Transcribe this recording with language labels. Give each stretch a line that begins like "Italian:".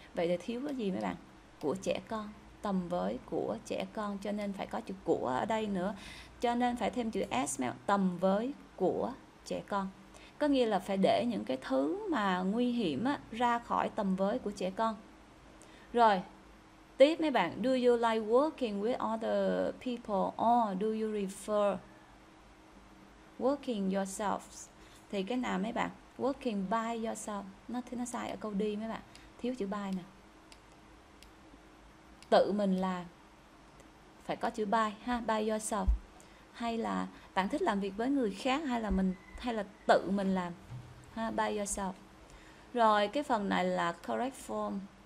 Vietnamese: Vậy thì thiếu cái gì mấy bạn? Của trẻ con. Tầm với của trẻ con. Cho nên phải có chữ của ở đây nữa. Cho nên phải thêm chữ S mấy bạn. Tầm với của trẻ con. Có nghĩa là phải để những cái thứ mà nguy hiểm á, ra khỏi tầm với của trẻ con. Rồi, tiếp mấy bạn.
English: Do you like working with other people or do you refer working yourself?
Vietnamese: Thì cái nào mấy bạn?
English: Working by yourself.
Vietnamese: Nó thì nó sai ở câu đi mấy bạn. Thiếu chữ by nè. Tự mình làm. Phải có chữ by ha, by yourself. Hay là bạn thích làm việc với người khác hay là mình, hay là tự mình làm ha, by yourself. Rồi cái phần này là correct form,